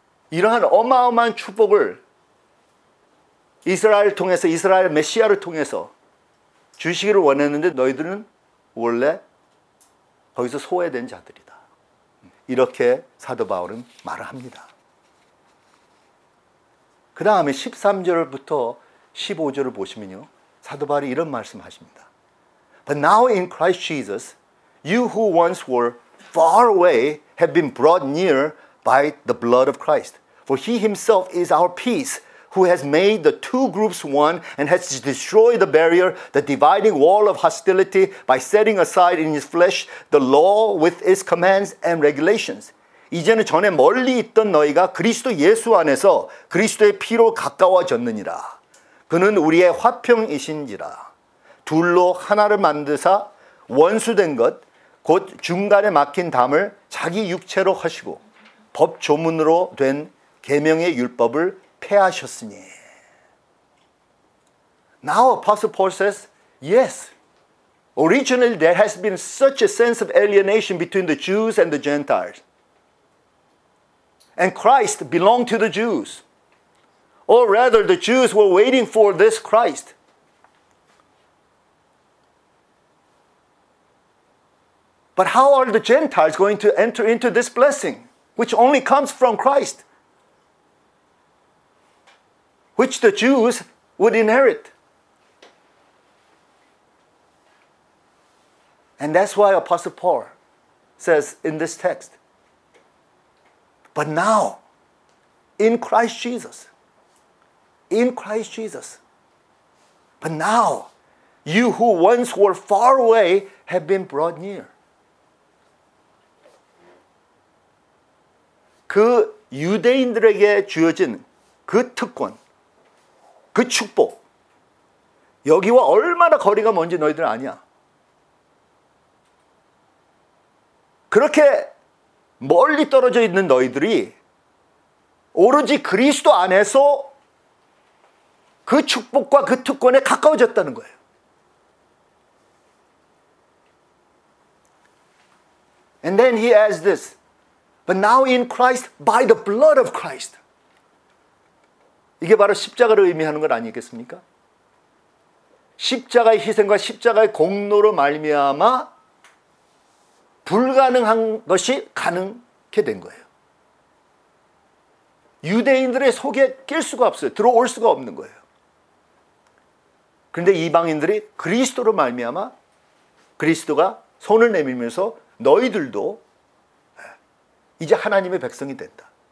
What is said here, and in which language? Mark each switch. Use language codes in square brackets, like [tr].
[ko] 이러한 어마어마한 축복을 이스라엘 통해서, 이스라엘 메시아를 통해서 주시기를 원했는데 너희들은 원래 거기서 소외된 자들이다. 이렇게 사도 바울은 말을 합니다. 그 다음에 13절부터 15절을 보시면요. 사도 바울이 이런 말씀하십니다. [en] But now in Christ Jesus, you who once were far away have been brought near by the blood of Christ. For he himself is our peace, who has made the two groups one and has destroyed the barrier, the dividing wall of hostility by setting aside in his flesh the law with its commands and regulations. [ko] 이제는 전에 멀리 있던 너희가 그리스도 예수 안에서 그리스도의 피로 가까워졌느니라. 그는 우리의 화평이신지라. 둘로 하나를 만드사 원수된 것, 곧 중간에 막힌 담을 자기 육체로 하시고 법 조문으로 된 계명의 율법을 폐하셨으니. [en] Now Apostle Paul says, yes, originally there has been such a sense of alienation between the Jews and the Gentiles. And Christ belonged to the Jews. Or rather, the Jews were waiting for this Christ. But how are the Gentiles going to enter into this blessing, which only comes from Christ, which the Jews would inherit? And that's why Apostle Paul says in this text, but now, in Christ Jesus, but now, you who once were far away have been brought near. [ko] 그 유대인들에게 주어진 그 특권, 그 축복, 여기와 얼마나 거리가 먼지 너희들 아냐? 그렇게 멀리 떨어져 있는 너희들이 오로지 그리스도 안에서 그 축복과 그 특권에 가까워졌다는 거예요. [en] And then he adds this, but now in Christ, by the blood of Christ. [ko] 이게 바로 십자가를 의미하는 것 아니겠습니까? 십자가의 희생과 십자가의 공로로 말미암아 불가능한 것이 가능하게 된 거예요. 유대인들의 속에 낄 수가 없어요. 들어올 수가 없는 거예요. 그런데 이방인들이 그리스도로 말미암아 그리스도가 손을 내밀면서 너희들도 이제 하나님의 백성이 된다.